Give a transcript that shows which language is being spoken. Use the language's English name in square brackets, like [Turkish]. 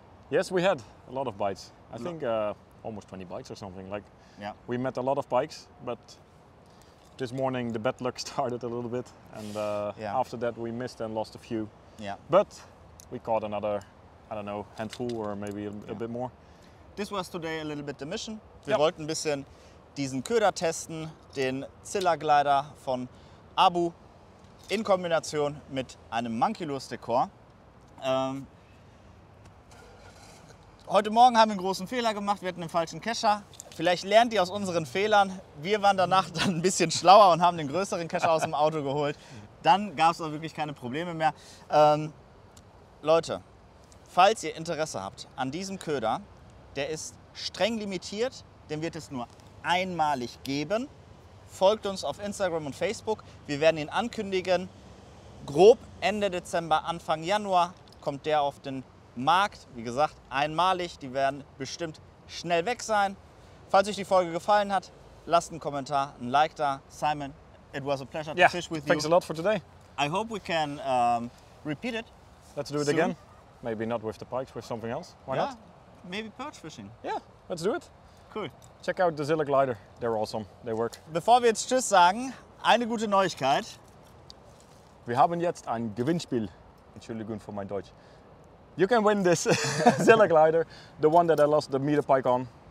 [English] Yes, we had a lot of bites. I think almost 20 bites or something. Like, yeah. We met a lot of bikes, but this morning the bad luck started a little bit, and after that we missed and lost a few. Yeah. But we caught another, I don't know, handful or maybe a bit more. This was today a little bit the mission. [German] Wir wollten ein bisschen diesen Köder testen, den Zillaglider von Abu in Kombination mit einem Monkey-Lures-Dekor. Heute Morgen haben wir einen großen Fehler gemacht, wir hatten den falschen Kescher. Vielleicht lernt ihr aus unseren Fehlern. Wir waren danach dann ein bisschen schlauer und haben den größeren Kescher aus dem Auto geholt. Dann gab es auch wirklich keine Probleme mehr. Leute, falls ihr Interesse habt an diesem Köder, der ist streng limitiert, den wird es nur einmalig geben. Folgt uns auf Instagram und Facebook. Wir werden ihn ankündigen. Grob Ende Dezember, Anfang Januar kommt der auf den Markt. Wie gesagt, einmalig. Die werden bestimmt schnell weg sein. Falls euch die Folge gefallen hat, lasst einen Kommentar, ein Like da. [English] Simon, it was a pleasure to fish with you. Thanks a lot for today. I hope we can repeat it. Let's do it again. Maybe not with the pikes, with something else. Why not? Maybe perch fishing. Yeah, let's do it. Cool. Check out the Zilla Glider. They're awesome. They work. [German] Bevor wir jetzt Tschüss sagen, eine gute Neuigkeit. Wir haben jetzt ein Gewinnspiel. Entschuldigung für mein Deutsch. [English] You can win this Zillig glider, the one that I lost the meter pike on.